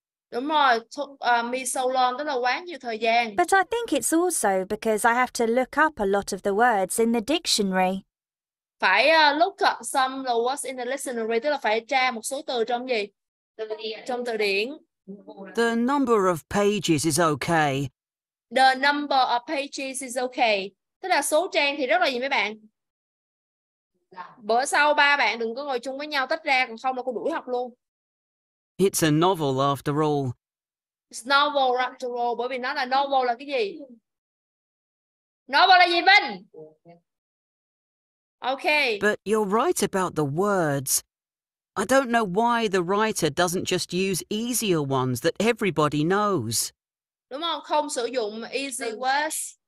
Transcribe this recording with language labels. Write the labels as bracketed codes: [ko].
[vi] Đúng rồi, me so long, tức là quá nhiều thời gian. [en] But I think it's also because I have to look up a lot of the words in the dictionary. [vi] Phải [en] look up some of the words in the dictionary, [vi] tức là phải tra một số từ trong gì? Từ điển. Trong từ điển. [en] The number of pages is okay, The number of pages is okay. [vi] Tức là số trang thì rất là gì mấy bạn? Bữa sau ba bạn đừng có ngồi chung với nhau tách ra, còn không là cô đuổi học luôn. [en] It's a novel after all. It's novel after all. [vi] Bởi vì nó là novel là cái gì? Novel là gì Vinh? Okay. [en] But you're right about the words. I don't know why the writer doesn't just use easier ones that everybody knows. [vi] Đúng không? Không sử dụng [en] easy words.